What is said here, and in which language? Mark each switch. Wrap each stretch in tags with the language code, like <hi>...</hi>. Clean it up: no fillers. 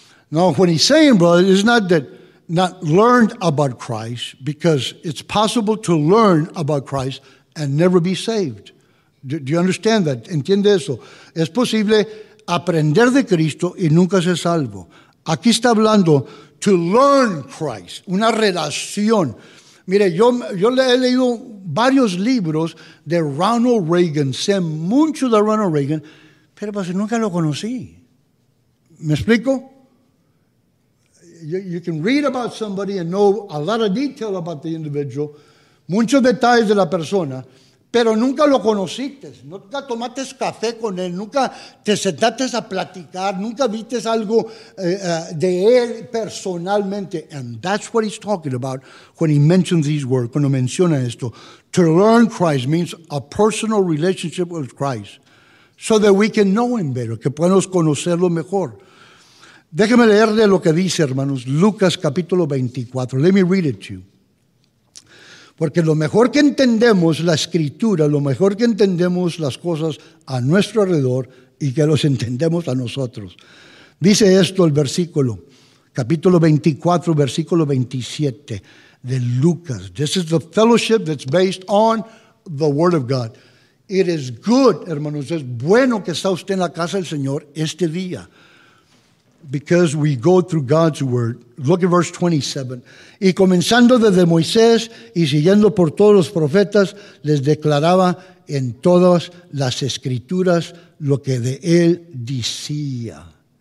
<en>Now, when he's saying, brother, it's not that not learned about Christ, because it's possible to learn about Christ and never be saved. Do you understand that?</en> <es>¿Entiende eso? Es posible aprender de Cristo y nunca ser salvo. Aquí está hablando</es> <en>to learn Christ,</en> <es>una relación. Mire, yo he leído varios libros de Ronald Reagan, sé mucho de Ronald Reagan, pero pues nunca lo conocí. ¿Me explico?</es> <en>You can read about somebody and know a lot of detail about the individual,</en> <es>muchos detalles de la persona, pero nunca lo conociste, nunca tomaste café con él, nunca te sentaste a platicar, nunca viste algo de él personalmente.</es> <en>And that's what he's talking about when he mentions these words,</en> <es>cuando menciona esto.</es> <en>To learn Christ means a personal relationship with Christ so that we can know him better,</en> <es>que podamos conocerlo mejor. Déjeme leerle lo que dice, hermanos, Lucas capítulo 24.</es> <en>Let me read it to you.</en> <es>Porque lo mejor que entendemos la escritura, lo mejor que entendemos las cosas a nuestro alrededor y que los entendemos a nosotros. Dice esto el versículo, capítulo 24, versículo 27 de Lucas.</es> <en>This is the fellowship that's based on the Word of God. It is good,</en> <es>hermanos, es bueno que está usted en la casa del Señor este día.</es> <en>Because we go through God's word. Look at verse 27.</en> <es>Y comenzando desde Moisés y siguiendo por todos los profetas, les declaraba en todas las escrituras lo que de él decía.</es>